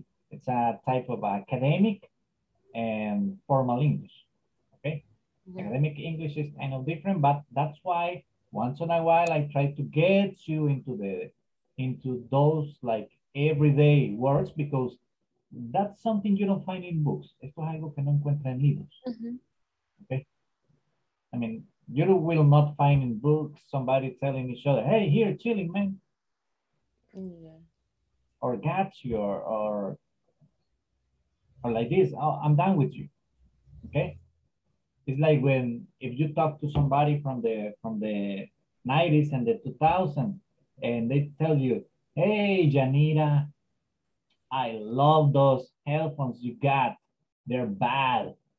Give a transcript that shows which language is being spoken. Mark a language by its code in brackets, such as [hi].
[en] It's a type of academic and formal English. Okay, yeah. Academic English is kind of different, but that's why once in a while I try to get you into those like everyday words, because that's something you don't find in books. [es] Esto es algo que no encuentra en libros. [en] Okay. I mean, you will not find in books somebody telling each other, hey, here, chilling, man. Yeah. Or got you, or like this, oh, I'm done with you. Okay. It's like when, if you talk to somebody from the 90s and the 2000s, and they tell you, hey, Janita, I love those headphones you got. They're bad.